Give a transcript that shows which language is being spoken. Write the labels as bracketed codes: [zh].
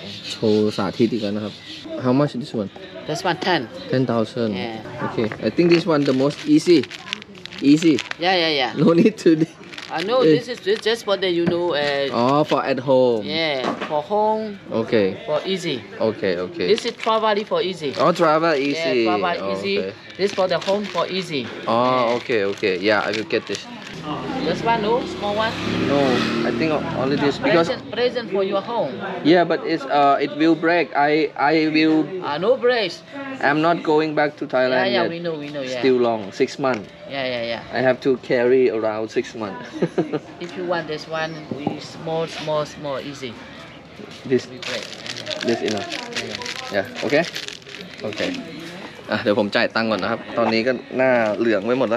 [th] โชว์สาธิตอีกแล้วนะครับ [en] how much this one this one 10,000 okay I think this one the most easy yeah no need to no this is just for the you know for at home yeah for home okay for easy okay this is traveling for easy travel easy this for the home for easy okay yeah I will get this this one no small one no I think only this because present for your home yeah but it's it will break I will no break I'm not going back to Thailand yeah we know still long 6 months yeah I have to carry around 6 months if you want this one we small easy this enough yeah okay [th] เดี๋ยวผมจ่ายตังค์ก่อนนะครับตอนนี้ก็หน้าเหลืองไว้หมดแล